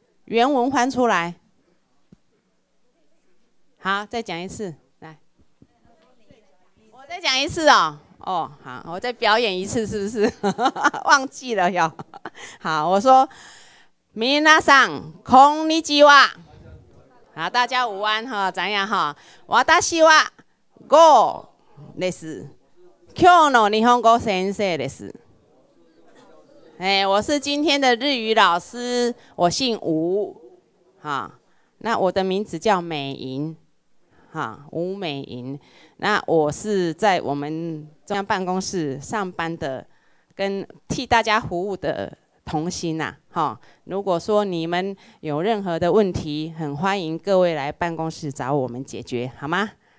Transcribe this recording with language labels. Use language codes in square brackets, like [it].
[zh] 原文翻出来，好，再讲一次，来，我再讲一次哦，哦，好，我再表演一次，是不是？忘记了哟。好，我说， [ja] 皆さんこんにちは， [zh] 好，大家午安哈，怎样哈？ [ja] 私はゴーです。今日の日本語先生です。 [zh] 我是今天的日语老师，我姓吴，那我的名字叫美银，吴美银。那我是在我们中央办公室上班的，跟替大家服务的同心啊，如果说你们有任何的问题，很欢迎各位来办公室找我们解决，好吗？